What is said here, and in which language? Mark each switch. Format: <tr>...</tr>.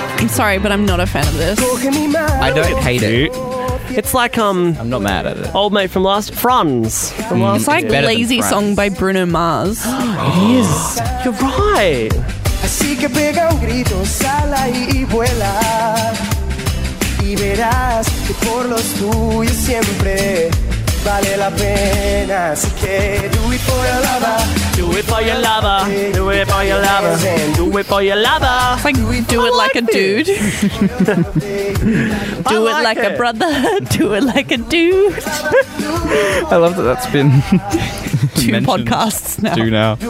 <en>Sorry, but I'm not a fan of this. I don't hate it. It's like, I'm not mad at it. Old mate from last... Franz. It's like a lazy song by Bruno Mars. It is. You're right.</en> <es>Así que pega un grito, sala y vuela. Y verás que por los tuyos siempre vale la pena. Así que</es> <en>do it for your lover. Do it for your lover. Do it for your lover. Do it for your lover. Do it like a dude. Do it like a brother. Do it like a dude. I love that that's been two podcasts now. Do now.</en>